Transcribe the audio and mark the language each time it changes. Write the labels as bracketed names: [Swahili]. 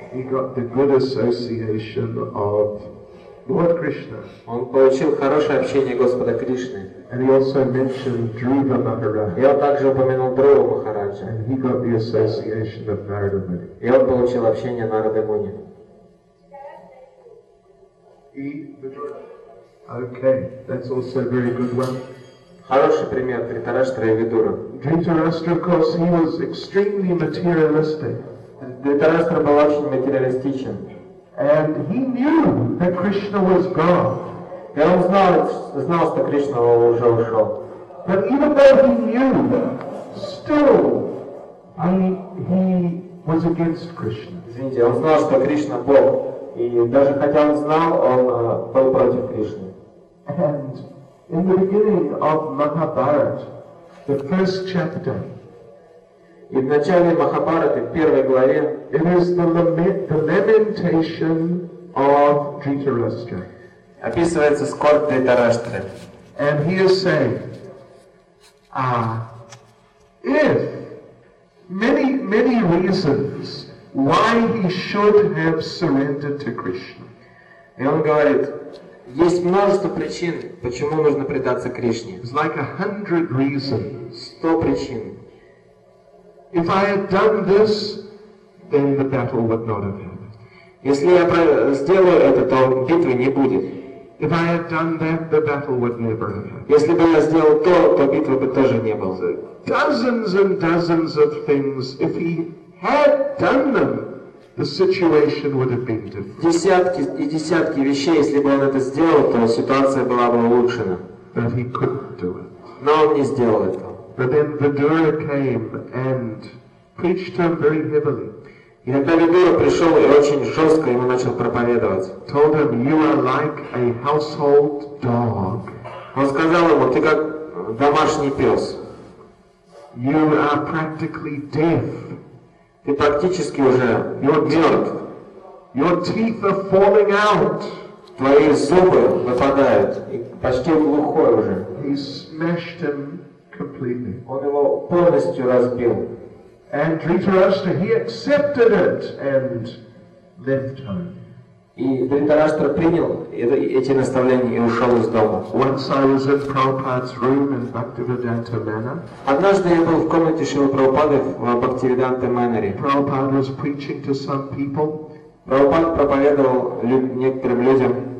[English] He got the good association of Lord Krishna. [Russian] Он получил хорошее общение Господа Кришны. [English] And he also mentioned Dhruva Maharaj. [Russian] И он также упомянул Друва Махараджа. [English] And he got the association of Narada Muni. [Russian] И он получил общение Нарады Муни. [English] Okay, that's also a very good one. [Russian] Хороший пример Дритарашстра и Видура. [English] Dhritarashtra, of course, he was extremely materialistic. [Russian] Dhritarashtra был очень материалистичен. [English] And he knew that Krishna was God. [Russian] И он знал, что Кришна уже ушел. [English] But even though he knew, still he was against Krishna. [Russian] Извините, он знал, что Кришна Бог. И даже хотя он знал, он был против Кришны. [English] And in the beginning of Mahabharata, the first chapter, [Russian] и в начале Махабхараты, в первой главе, [English] it is the lamentation of Dhritarashtra. [Russian] Описывается скорбь Дхритарашты. [English] And he is saying, if many, many reasons why he should have surrendered to Krishna. [Russian] И он говорит, есть множество причин, почему нужно предаться Кришне. [English] It's like 100 reasons. [Russian] 100 причин. [English] If I had done this, then the battle would not have happened. [Russian] Если я сделаю это, то битвы не будет. [English] If I had done that, the battle would never have happened. [Russian] Если бы я сделал то, то битвы бы тоже не было. [English] So, dozens and dozens of things, if he had done them, the situation would have been different. [Russian] Десятки и десятки вещей, если бы он это сделал, то ситуация была бы улучшена. [English] But he couldn't do it. [Russian] Но он не сделал это. [English] But then Vidura came and preached him very heavily. [Russian] И тогда Видура пришел и очень жестко ему начал проповедовать. [English] Told him, you are like a household dog. [Russian] Он сказал ему, ты как домашний пес. [English] You are practically deaf. [Russian] Ты практически уже мертв. [English] Your teeth are falling out. [Russian] Твои зубы выпадают. И почти глухой уже. [English] He smashed him completely. [Russian] Он его полностью разбил. [English] And Dhritarashtra, he accepted it and left home. [Russian] И Дхритарашта принял эти наставления и ушел из дома. [English] Once I was in Prabhupada's room in Bhaktivedanta Manor. [Russian] Однажды я был в комнате Шрилы Прабхупады в Бхактивиданте Мэннере. [English] Prabhupada was preaching to some people. [Russian] Прабхупад проповедовал некоторым людям.